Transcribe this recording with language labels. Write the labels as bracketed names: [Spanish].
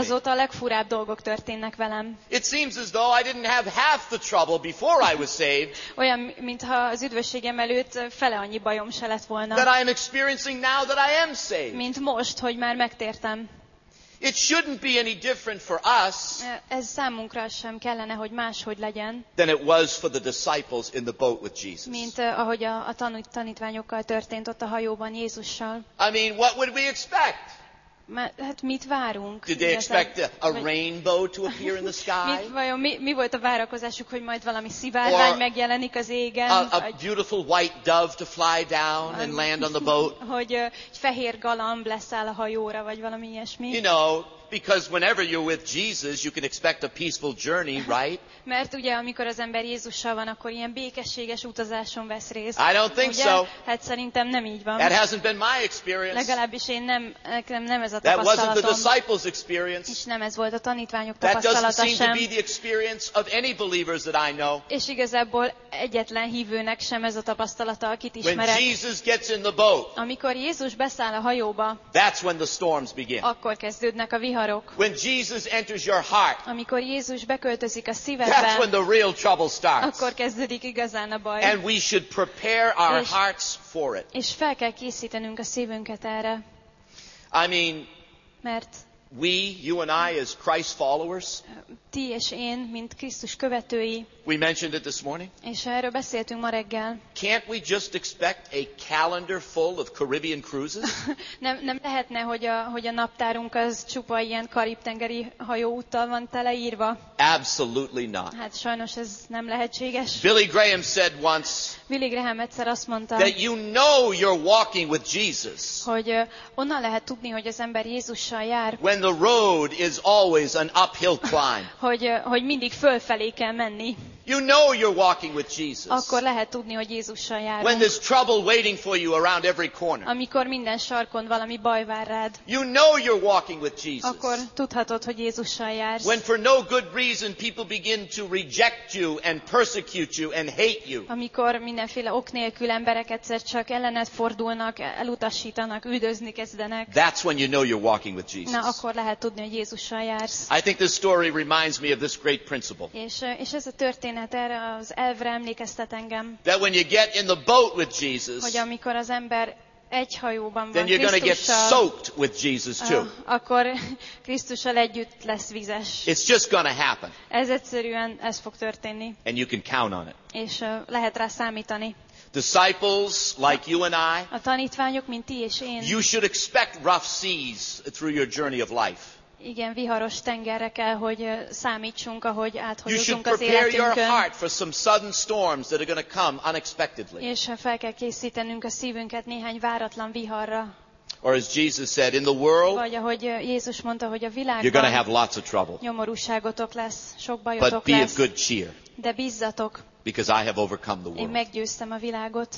[Hungarian] Azóta a legfurább dolgok történnek velem. [English] It seems as though I didn't have half the trouble before I was saved. [Hungarian] Olyan, mintha az üdvösségem előtt fele annyi bajom se lett volna. [English] That I am experiencing now that I am saved. [Hungarian] Mint most, hogy már megtértem. [English] It shouldn't be any different for us. [Hungarian] Ez számunkra sem kellene, hogy máshogy legyen. [English] Than it was for the disciples in the boat with Jesus. [Hungarian] Mint ahogy a tanítványokkal történt ott a hajóban Jézussal. [English] I mean, what would we expect? [Hungarian] Hát mit várunk? [English] Did they expect a rainbow to appear in the sky? [Hungarian] Mi volt a várakozásuk, hogy majd valami szivárvány megjelenik az égen? [English] A beautiful white dove to fly down and land on the boat? [Hungarian] Hogy egy fehér galamb leszáll a hajóra, vagy valami ilyesmi? [English] You know, because whenever you're with Jesus, you can expect a peaceful journey, right? [Hungarian] Mert ugye, amikor az ember Jézussal van, akkor ilyen békességes utazáson vesz részt. [English] I don't think [Hungarian] ugye? [English] So. [Hungarian] Hát szerintem nem így van. [English] That hasn't been my experience. [Hungarian] Legalábbis én nem ez a tapasztalatom. [English] That wasn't the disciples' experience. [Hungarian] És nem ez volt a tanítványok tapasztalata sem. [English] That doesn't seem to be the experience of any believers that I know. [Hungarian] És igazából egyetlen hívőnek sem ez a tapasztalata, akit ismerek. [English] When Jesus gets in the boat. [Hungarian] Amikor Jézus beszáll a hajóba. [English] That's when the storms begin. [Hungarian] Akkor kezdődnek a viharok. [English] When Jesus enters your heart. [Hungarian] Amikor Jézus beköltözik a szívedbe. [English] That's when the real trouble starts. [Hungarian] Akkor kezdődik igazán a baj. [English] And we should prepare our hearts for it. [Hungarian] És fel kell készítenünk a szívünket erre. [English] I mean, [Hungarian] mert [English] we, you and I, as Christ followers, [Hungarian] ti és én, mint Krisztus követői, [English] we mentioned it this morning, [Hungarian] és erről beszéltünk ma reggel, [English] can't we just expect a calendar full of Caribbean cruises? [Hungarian] nem lehetne, hogy a naptárunk az csupa ilyen karib-tengeri hajóúttal van teleírva? [English] Absolutely not. [Hungarian] Hát sajnos ez nem lehetséges. [English] Billy Graham said once, [Hungarian] Billy Graham egyszer azt mondta, [English] that you know you're walking with Jesus, [Hungarian] hogy onnan lehet tudni, hogy az ember Jézussal jár, [English] when the road is always an uphill climb, [Hungarian] hogy mindig fölfelé kell menni. [English] You know you're walking with Jesus. [Hungarian] Akkor lehet tudni, hogy Jézussal járunk. [English] When there's trouble waiting for you around every corner. [Hungarian] Amikor minden sarkon valami baj vár rád. [English] You know you're walking with Jesus. [Hungarian] Akkor tudhatod, hogy Jézussal jársz. [English] When for no good reason people begin to reject you and persecute you and hate you. [Hungarian] Amikor mindenféle ok nélkül emberek egyszer csak ellened fordulnak, elutasítanak, üldözni kezdenek. [English] That's when you know you're walking with Jesus. [Hungarian] Na, akkor lehet tudni, hogy Jézussal jársz. [English] I think this story reminds me of this great principle. [Hungarian] És ez a történet. Erre az elvre emlékeztet engem. [English] That when you get in the boat with Jesus, [Hungarian] hogy amikor az ember egy hajóban van [English] then you're going to get soaked with Jesus too. [Hungarian] Akkor Krisztussal együtt lesz vizes. [English] It's just going to happen. [Hungarian] Ez egyszerűen ez fog történni. [English] And you can count on it. [Hungarian] És lehet rá számítani. [English] Disciples like you and I. [Hungarian] A tanítványok mint ti és én. [English] You should expect rough seas through your journey of life. [Hungarian] Igen, viharos tengerre kell, hogy számítsunk, ahogy áthajózunk az életünkön. [English] You should prepare your heart for some sudden storms that are going to come unexpectedly. [Hungarian] És fel kell készítenünk a szívünket néhány váratlan viharra. [English] Or as Jesus said, in the world, [Hungarian] vagy ahogy Jézus mondta, hogy a világban, [English] you're going to have lots of trouble. [Hungarian] Nyomorúságotok lesz, sok bajotok [English] but be [Hungarian] lesz. [English] Of good cheer. [Hungarian] De bízzatok. [English] Because I have overcome the world. [Hungarian] Én meggyőztem a világot.